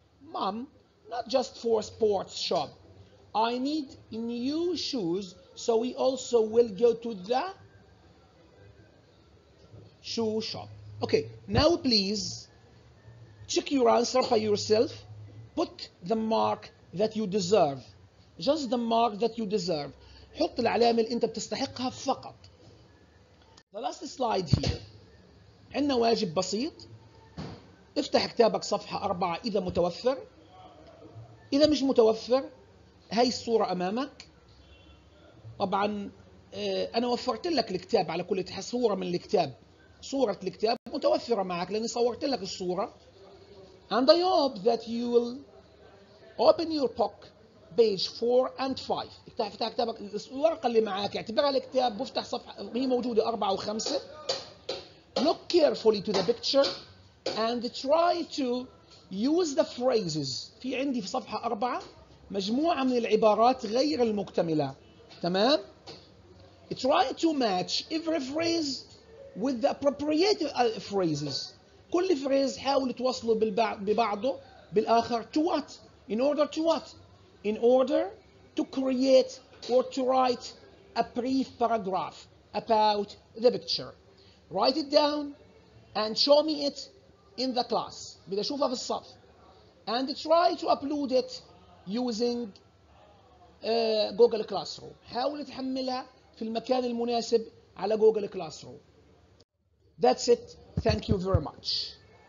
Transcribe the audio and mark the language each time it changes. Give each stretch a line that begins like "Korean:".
English: Mom, not just for sports shop. I need new shoes, so we also will go to the shoe shop. Okay, now please check your answer by yourself. Put the mark that you deserve. Just the mark that you deserve.
Arabic: حط العلامة اللي انت بتستحقها فقط.
English: The last slide here.
Arabic: عندنا واجب بسيط. افتح كتابك صفحة 4 إذا متوفر. إذا مش متوفر هاي الصورة أمامك. طبعا أنا وفرت لك الكتاب على كل صورة من الكتاب. صورة الكتاب متوفرة معك لأني صورت لك الصورة.
English: And I hope that you will open your book page 4 and 5.
Arabic: افتح كتابك الورقة اللي معك اعتبرها الكتاب وافتح صفحة هي موجودة 4 و 5.
English: Look carefully to the picture and try to use the phrases.
Arabic: في عندي في صفحة 4 مجموعة من العبارات غير المكتملة. تمام؟
English: Try to match every phrase with the appropriate phrases.
Arabic: كل فريز حاول توصله ببعضه بالآخر.
English: To what? In order to what? In order to create or to write a brief paragraph about the picture. Write it down and show me it in the class.
Arabic: بدي أشوفها في الصف.
English: And try to upload it using Google Classroom.
Arabic: حاول تحملها في المكان المناسب على جوجل كلاس روم.
English: That's it. Thank you very much.